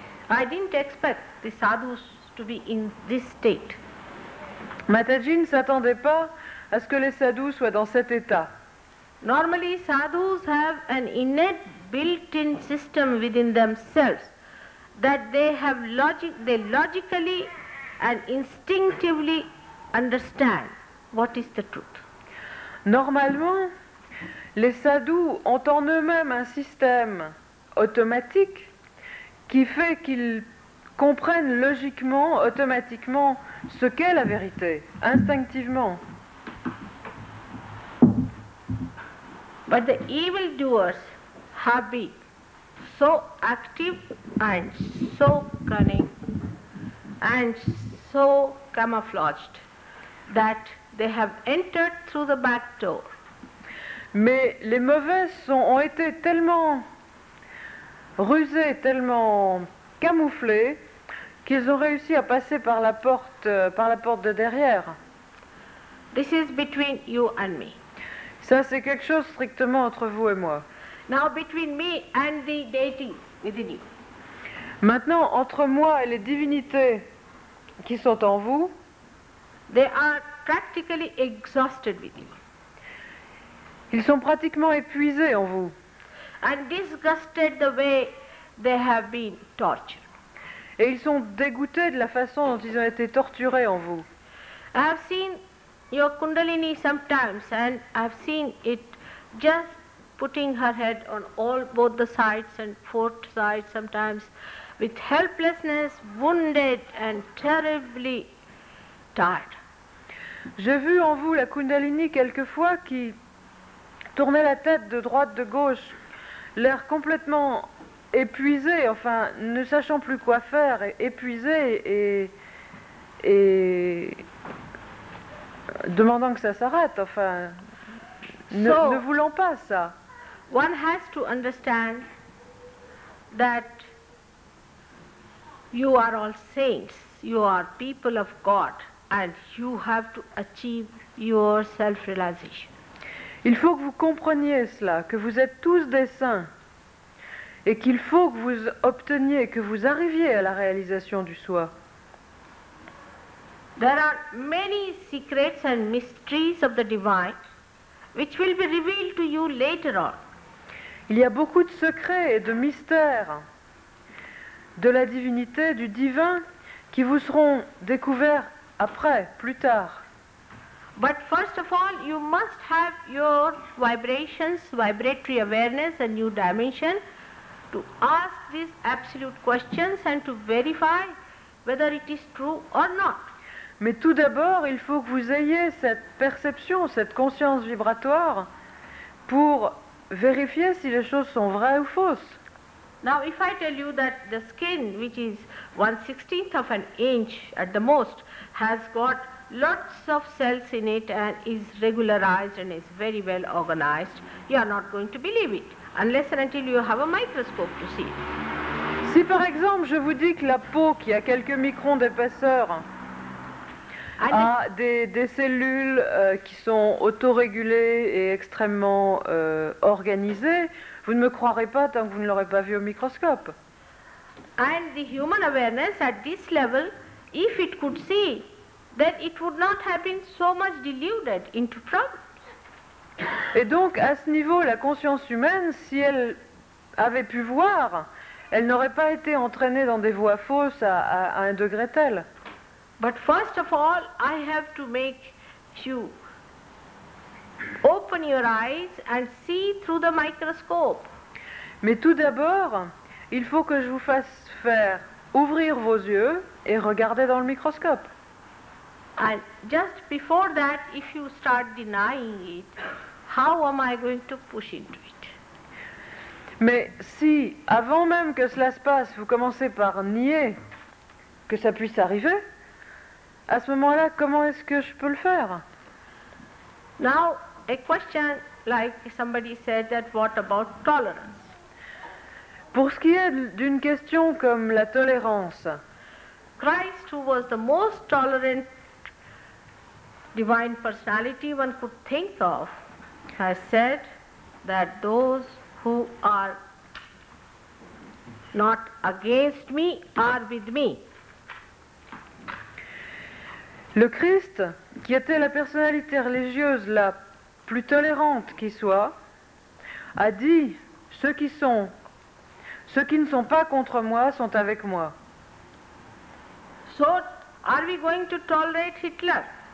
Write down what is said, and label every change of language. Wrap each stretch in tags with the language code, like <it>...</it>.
<en>I didn't expect the sadhus to be in this state.</en> <fr>Mataji ne s'attendait pas à ce que les sadhus soient dans cet état.</fr> <en>Normally, sadhus have an innate built-in system within themselves that they have logic, they logically and instinctively understand what is the truth.</en> <fr>Normalement, les sadhus ont en eux-mêmes un système automatique qui fait qu'ils comprennent logiquement, automatiquement ce qu'est la vérité, instinctivement.</fr> <en>But the evil doers have been so active and so cunning and so camouflaged that they have entered through the back door.</en> <fr>Mais les mauvais ont été tellement rusés, tellement camouflés, qu'ils ont réussi à passer par la porte de derrière.</fr> <en>This is between you and me.</en> <fr>Ça, c'est quelque chose strictement entre vous et moi.</fr> <en>Now between me and the deity within you.</en> <fr>Maintenant, entre moi et les divinités qui sont en vous,</fr> <en>they are practically exhausted with you.</en> <fr>Ils sont pratiquement épuisés en vous.</fr> <en>And disgusted the way they have been tortured.</en> <fr>Et ils sont dégoûtés de la façon dont ils ont été torturés en vous.</fr> <en>I have seen your Kundalini sometimes and I have seen it just putting her head on all both the sides and fourth side sometimes with helplessness, wounded and terribly tired.</en> <fr>J'ai vu en vous la Kundalini quelquefois qui tournait la tête de droite, de gauche, l'air complètement épuisé, enfin, ne sachant plus quoi faire, épuisé et demandant que ça s'arrête, enfin, ne voulant pas ça.</fr> <en>One has to understand that you are all saints, you are people of God, and you have to achieve your self-realization.</en> <fr>Il faut que vous compreniez cela, que vous êtes tous des saints et qu'il faut que vous obteniez, que vous arriviez à la réalisation du soi.</fr> <en>There are many secrets and mysteries of the divine which will be revealed to you later on.</en> <fr>Il y a beaucoup de secrets et de mystères de la divinité, du divin, qui vous seront découverts après, plus tard.</fr> <en>But first of all, you must have your vibrations, vibratory awareness, a new dimension, to ask these absolute questions and to verify whether it is true or not.</en> <fr>Mais tout d'abord, il faut que vous ayez cette perception, cette conscience vibratoire, pour vérifier si les choses sont vraies ou fausses.</fr> <en>Now, if I tell you that the skin, which is 1/16 of an inch at the most, has got lots of cells in it and is regularized and is very well organized, you are not going to believe it unless and until you have a microscope to see it.</en> <fr>Si par exemple je vous dis que la peau qui a quelques microns d'épaisseur and a des cellules qui sont autorégulées et extrêmement organisées, vous ne me croirez pas tant que vous ne l'aurez pas vu au microscope.</fr> <en>And the human awareness at this level, if it could see, then it would not have been so much deluded into problems.</en> <fr>Et donc, à ce niveau, la conscience humaine, si elle avait pu voir, elle n'aurait pas été entraînée dans des voies fausses à un degré tel.</fr> <en>But first of all, I have to make you open your eyes and see through the microscope.</en> <fr>Mais tout d'abord, il faut que je vous fasse faire ouvrir vos yeux et regarder dans le microscope.</fr> <en>And just before that, if you start denying it, how am I going to push into it?</en> <fr>Mais si, avant même que cela se passe, vous commencez par nier que ça puisse arriver, à ce moment-là, comment est-ce que je peux le faire?</fr> <en>Now, a question like somebody said that what about tolerance?</en> <fr>Pour ce qui est d'une question comme la tolérance,</fr> <en>Christ, who was the most tolerant divine personality one could think of, has said that those who are not against me are with me.</en> <fr>Le Christ, qui était la personnalité religieuse la plus tolérante qui soit, a dit ceux qui ne sont pas contre moi sont avec moi.</fr> <en>So are we going to tolerate Hitler?</en>